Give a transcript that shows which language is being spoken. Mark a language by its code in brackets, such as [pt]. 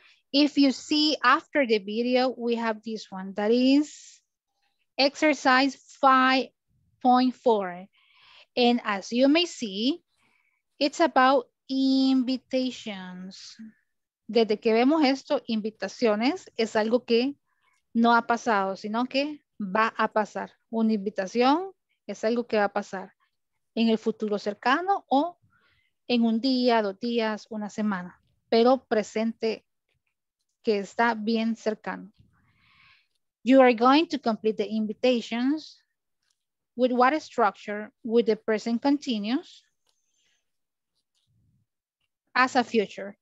[en] If you see after the video, we have this one. That is exercise 5.4. And as you may see, it's about invitations. [es] Desde que vemos esto, invitaciones es algo que no ha pasado, sino que va a pasar. Una invitación es algo que va a pasar en el futuro cercano o en un día, dos días, una semana, pero presente que está bien cercano. [en] You are going to complete the invitations with what structure, with the present continuous, as a future.